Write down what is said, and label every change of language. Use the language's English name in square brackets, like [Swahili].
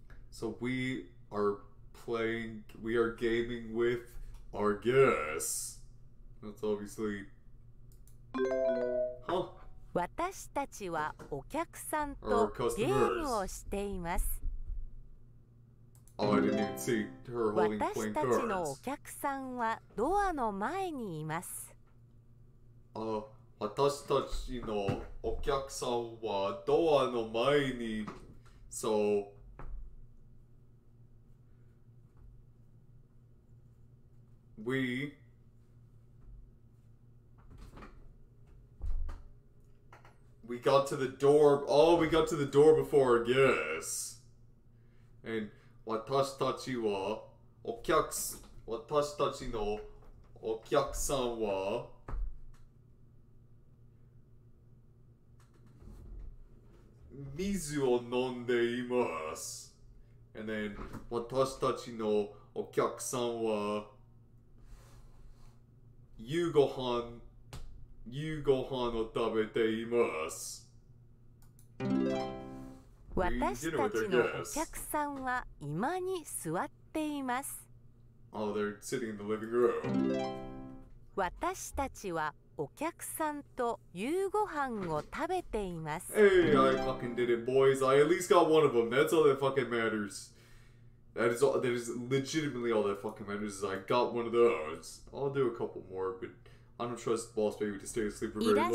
[English] So we are playing, we are gaming with our guests. That's obviously... Huh? [Japanese] 私たちはお客さんとゲームをしています。 [English] Oh, I didn't even see her holding playing cards. [Japanese] 私たちのお客さんはドアの前にいます。私たちのお客さんはドアの前に、So... [English] We got to the door. Oh, we got to the door before our guests. [Japanese] And 私たちはお客私たちのお客さんは水を飲んでいます。 And then 私たちのお客さんは夕ごはんを食べています。私たちのお客さんは今に座っています。 [English] Oh, they're sitting in the living room. [Japanese] 私たちはお客さんと夕ごはんを食べています。 [English] Hey, I fucking did it, boys. I at least got one of them. That's all that fucking matters. That is legitimately all that fucking matters is I got one of those. I'll do a couple more, but I don't trust Boss Baby to stay asleep for very long.